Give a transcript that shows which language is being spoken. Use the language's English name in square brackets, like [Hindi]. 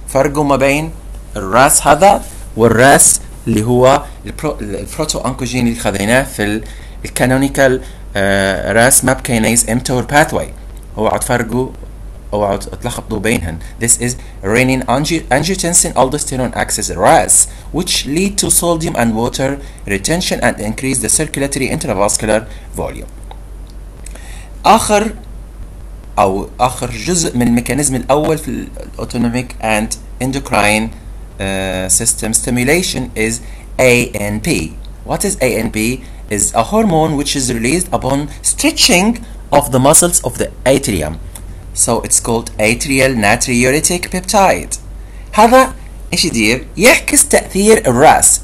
[Arabic] فرقوا ما بين الراس هذا والراس اللي هو البروتو انكوجين اللي خذيناه في [English] الكانونيكال Ras MAP kinase mTOR pathway. [Arabic] اوعوا تفرقوا اوعوا تلخبطوا بينهن. [English] This is renin angiotensin aldosterone access RAS which lead to sodium and water retention and increase the circulatory intravascular volume. [Arabic] اخر أو آخر جزء من الميكانيزم الأول في الأوتونوميك [English] and endocrine system stimulation is ANP. What is ANP? Is a hormone which is released upon stretching of the muscles of the atrium. So it's called atrial natriuretic peptide. [Arabic] هذا إيش يدير؟ يعكس تأثير الرأس.